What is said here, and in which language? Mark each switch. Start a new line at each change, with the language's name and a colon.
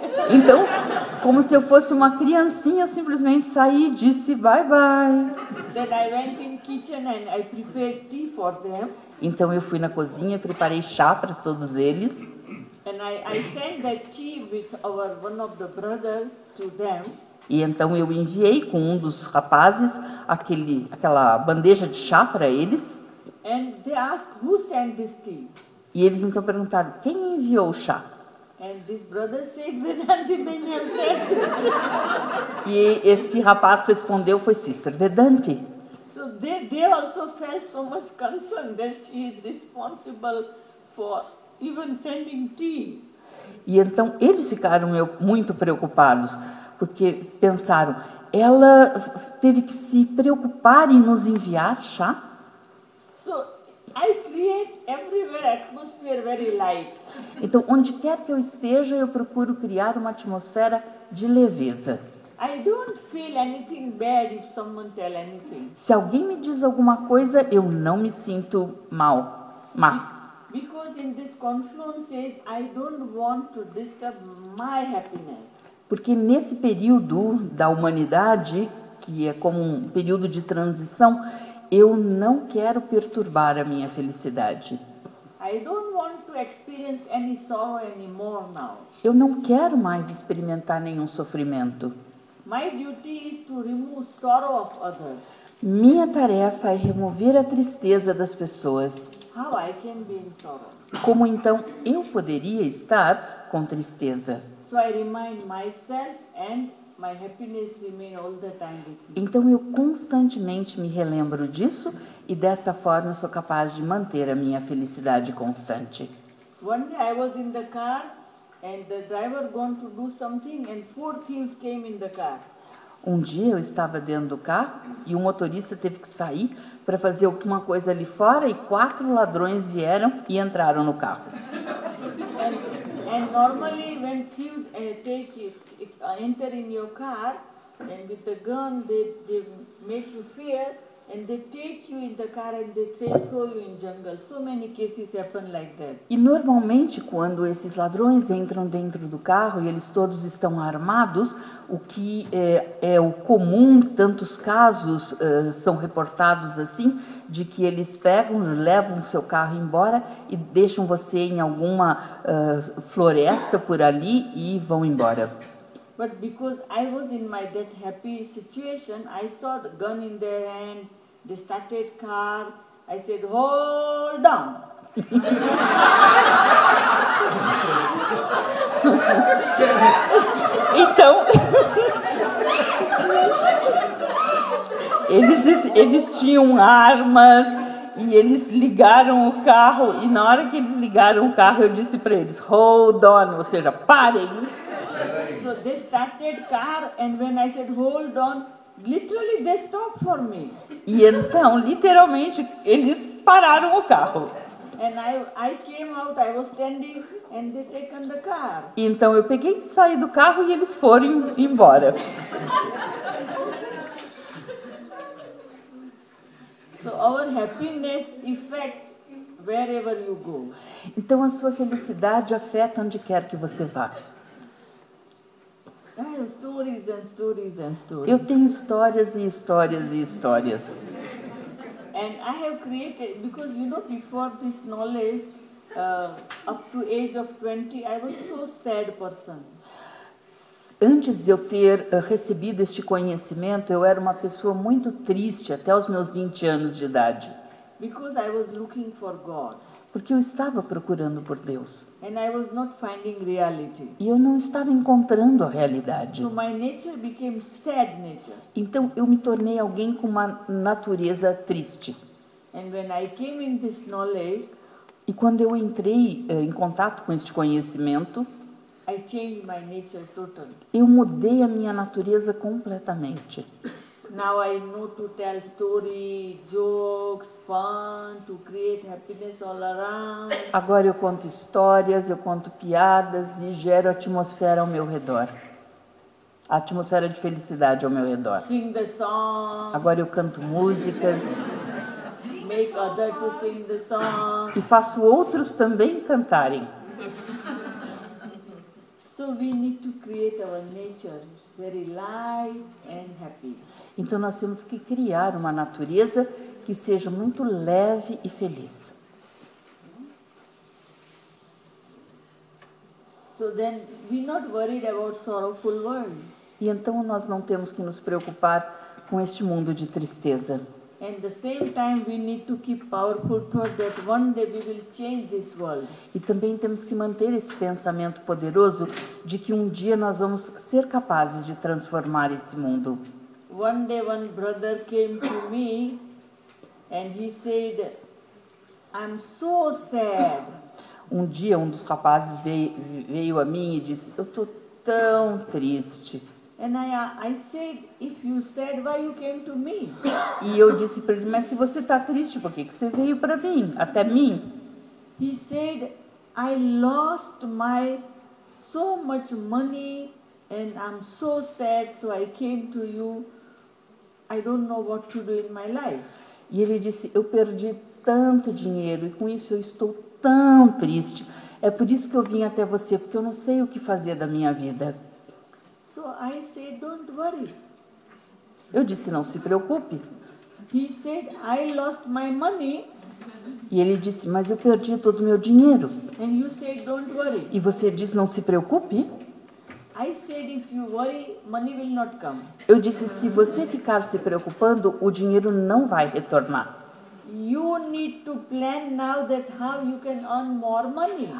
Portuguese: Então, como se eu fosse uma criancinha, eu simplesmente saí e disse
English: bye bye. Then I went in kitchen and I prepared tea for them.
Portuguese: Então eu fui na cozinha, preparei chá para todos eles.
English: And I sent that tea with our one of the brothers to them.
Portuguese: E então eu enviei com um dos rapazes aquela bandeja de chá para eles.
English: And they asked who sent this tea.
Portuguese: E eles então perguntaram quem enviou o chá.
English: And this brother said, Vedanti may have said.
Portuguese: E esse rapaz respondeu, foi Sister Vedanti.
English: So they also felt so much concern that she is responsible for even sending tea.
Portuguese: E então eles ficaram muito preocupados, porque pensaram, ela teve que se preocupar em nos enviar chá.
English: So I create everywhere atmosphere very light.
Portuguese: Então, onde quer que eu esteja, eu procuro criar uma atmosfera de leveza.
English: I don't feel anything bad if someone tell anything.
Portuguese: Se alguém me diz alguma coisa, eu não me sinto mal. Má.
English: Because in this confluence age, I don't want to disturb my happiness.
Portuguese: Porque nesse período da humanidade, que é como um período de transição, eu não quero perturbar a minha felicidade.
English: I don't want to experience any sorrow anymore now.
Portuguese: Eu não quero mais experimentar nenhum sofrimento.
English: My duty is to remove sorrow of others.
Portuguese: Minha tarefa é remover a tristeza das pessoas.
English: How I can be in sorrow?
Portuguese: Como então eu poderia estar com tristeza?
English: So I remind myself and my happiness remain all the time with me.
Portuguese: Então eu constantemente me relembro disso. E dessa forma eu sou capaz de manter a minha felicidade constante.
English: One day I was in the car and the driver going to do something and four thieves came in the car.
Portuguese: Um dia eu estava dentro do carro e um motorista teve que sair para fazer alguma coisa ali fora e quatro ladrões vieram e entraram no carro.
English: And normally when thieves enter in your car and with the gun they make you fear. And they take you in the car and they throw you in jungle. So many cases happen like that.
Portuguese: E normalmente quando esses ladrões entram dentro do carro e eles todos estão armados, o que é o comum, tantos casos são reportados assim, de que eles pegam, levam o seu carro embora e deixam você em alguma floresta por ali e vão embora.
English: But because I was in my that happy situation, I saw the gun in their hand. They started car. I said, hold on.
Portuguese: Então, Eles tinham armas e eles ligaram o carro. E na hora que eles ligaram o carro, eu disse para eles,
English: hold on,
Portuguese: ou seja, parem.
English: So they started car and when I said hold on, literally they stopped for me.
Portuguese: E então, literalmente, eles pararam o carro.
English: And I came out, I was standing and they taken the car.
Portuguese: Então eu peguei e saí do carro e eles foram embora.
English: So our happiness affects wherever you go.
Portuguese: Então a sua felicidade afeta onde quer que você vá.
English: I have stories and stories and stories.
Portuguese: Eu tenho histórias e histórias e histórias.
English: And I have created, because you know, before this knowledge, up to age of 20, I was so sad person.
Portuguese: Antes de eu ter recebido este conhecimento, eu era uma pessoa muito triste até os meus 20 anos de idade.
English: Because I was looking for God.
Portuguese: Porque eu estava procurando por Deus.
English: And I was not finding reality.
Portuguese: E eu não estava encontrando a realidade.
English: So my nature became sad nature.
Portuguese: Então eu me tornei alguém com uma natureza triste.
English: And when I came in this knowledge,
Portuguese: e quando eu entrei em contato com este conhecimento,
English: I changed my nature totally.
Portuguese: Eu mudei a minha natureza completamente.
English: Now I know to tell story, jokes, fun, to create happiness all around.
Portuguese: Agora eu conto histórias, eu conto piadas e gero atmosfera ao meu redor. A atmosfera de felicidade ao meu redor.
English: Sing the song.
Portuguese: Agora eu canto músicas.
English: Make others to sing the song.
Portuguese: E faço outros também cantarem.
English: So we need to create our nature very light and happy.
Portuguese: Então nós temos que criar uma natureza que seja muito leve e feliz.
English: So then we're not worried about sorrowful world.
Portuguese: E então nós não temos que nos preocupar com este mundo de tristeza.
English: And the same time we need to keep powerful thought that one day we will change this world.
Portuguese: E também temos que manter esse pensamento poderoso de que um dia nós vamos ser capazes de transformar esse mundo.
English: One day one brother came to me and he said, I'm so sad.
Portuguese: Um dia um dos rapazes veio a mim e disse, eu tô tão triste.
English: And I said, if you sad, why you came to me?
Portuguese: E eu disse para ele, mas se você tá triste, por que você veio para mim, até mim?
English: He said, I lost my so much money and I'm so sad, so I came to you. I don't know what to do in my life.
Portuguese: E ele disse, eu perdi tanto dinheiro e com isso eu estou tão triste. É por isso que eu vim até você, porque eu não sei o que fazer da minha vida.
English: So I said, don't worry.
Portuguese: Eu disse, não se preocupe.
English: He said, I lost my money.
Portuguese: E ele disse, mas eu perdi todo o meu dinheiro.
English: And you said, don't worry.
Portuguese: E você disse, não se preocupe.
English: I said, if you worry, money will not come.
Portuguese: Eu disse, se você ficar se preocupando, o dinheiro não vai retornar.
English: You need to plan now that how you can earn more money.